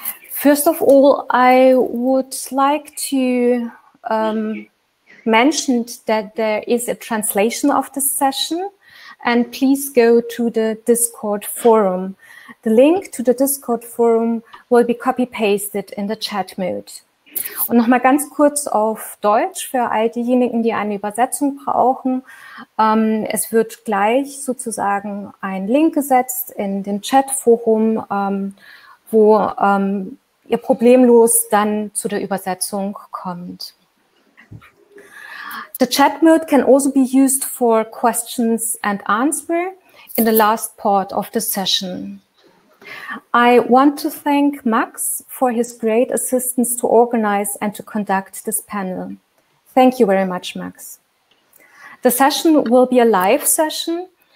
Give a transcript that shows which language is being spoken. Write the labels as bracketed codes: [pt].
[en] First of all, I would like to mentioned that there is a translation of the session, and please go to the Discord forum. The link to the Discord forum will be copy-pasted in the chat mode. [de] Und nochmal ganz kurz auf Deutsch für all diejenigen, die eine Übersetzung brauchen. Es wird gleich sozusagen ein Link gesetzt in den Chatforum, wo ihr problemlos dann zu der Übersetzung kommt. [en] The chat mode can also be used for questions and answer in the last part of the session. I want to thank Max for his great assistance to organize and to conduct this panel. Thank you very much, Max. The session will be a live session.